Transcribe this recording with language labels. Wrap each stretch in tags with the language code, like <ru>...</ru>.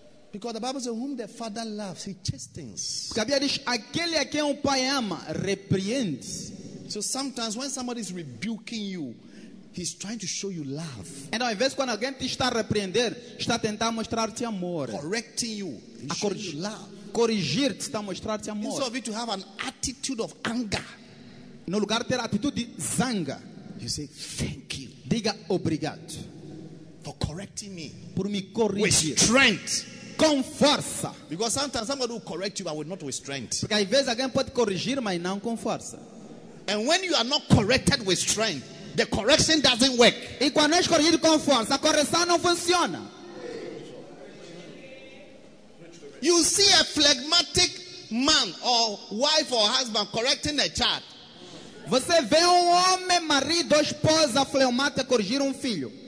<en>Because the Bible says, whom the Father loves, he chastens.</en> <pt>Porque a Bíblia diz, aquele a quem o Pai ama, repreende.</pt> <en>So sometimes when somebody is rebuking you, he's trying to show you love.</en> <pt>Então, às vezes, quando alguém te está a repreender, está a tentar mostrar-te amor.</pt> <en>Correcting you, he's showing you love.</en> <pt>Corrigir-te, está a mostrar-te amor.</pt> <en>Instead of you to have an attitude of anger.</en> <pt>No lugar de ter a atitude de zanga.</pt> <en>You say, thank you.</en> <pt>Diga obrigado.</pt> <en>For correcting me.</en> <pt>Por me corrigir.</pt> <en>With strength.</en> <pt>Com força.</pt> <en>Because sometimes somebody will correct you, but will not with strength.</en> <pt>Porque às vezes alguém pode corrigir, mas não com força.</pt> <en>And when you are not corrected with strength, the correction doesn't work.</en> <pt>E quando és corrigido com força, a correção não funciona.</pt> <en>You see a phlegmatic man or wife or husband correcting a child.</en> <pt>Você vê homem, marido, esposa fleumática corrigir filho.</pt>